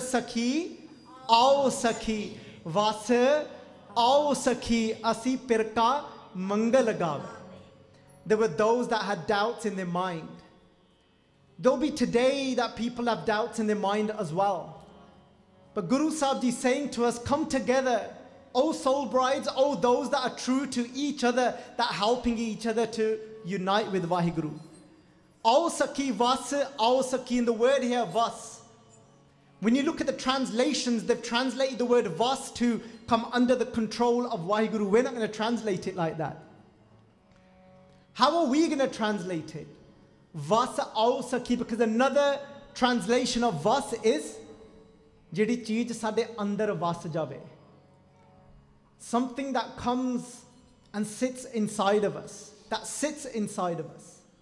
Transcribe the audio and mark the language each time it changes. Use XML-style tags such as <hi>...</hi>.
<pa>Sakhi, ਆਓ ਸਖੀ, ਵਸ ਆਓ ਸਖੀ, ਅਸੀਂ ਪਿਰਕਾ ਮੰਗਲ ਗਾਵੇ।</pa> <en>There were those that had doubts in their mind. There'll be today that people have doubts in their mind as well. But Guru Sahib Ji saying to us, come together, O soul brides, O those that are true to each other, that helping each other to unite with Vaheguru.</en> <pa>ਆਓ ਸਖੀ, ਵਸ ਆਓ ਸਖੀ,</pa> <en>in the word here,</en> <pa>ਵਸ.</pa> <en>When you look at the translations, they've translated the word vas to come under the control of Vaheguru. We're not going to translate it like that. How are we going to translate it?</en> <pa>Vas aao sakhi,</pa> <en>because another translation of vas is</en> <pa>jehdi cheez sade andar vas jave,</pa> <en>something that comes and sits inside of us, that sits inside of us.</en>